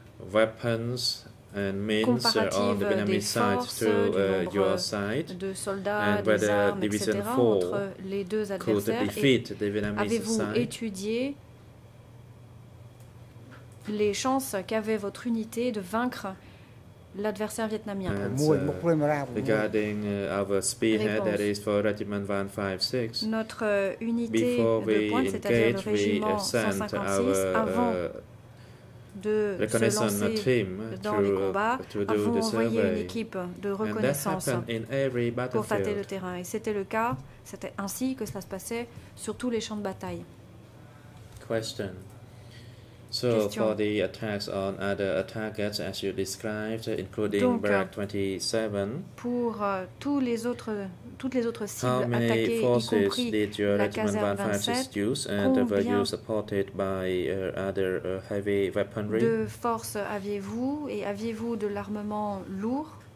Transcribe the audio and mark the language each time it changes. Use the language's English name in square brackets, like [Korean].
[English] weapons and means on the Vietnamese side to your side, [French] de soldats, [English] and whether division 4 could defeat the Vietnamese side. [French] Avez-vous étudié les chances qu'avait votre unité de vaincre l'adversaire vietnamien? [English] Regarding our spearhead, that is for Regiment 156. [French] Notre unité de pointe, c'est-à-dire le régiment 156, avant de se lancer dans les combats, avons envoyé une équipe de reconnaissance pour tâter le terrain. Et c'était le cas, c'était ainsi que ça se passait sur tous les champs de bataille. [English] Question. So question. For the attacks on other targets as you described, including barrack 27. [French] Pour toutes les autres cibles attaquées, y compris la caserne 157, [English] use and were you supported by other heavy weaponry? [French] De force aviez-vous et aviez-vous de l'armement lourd?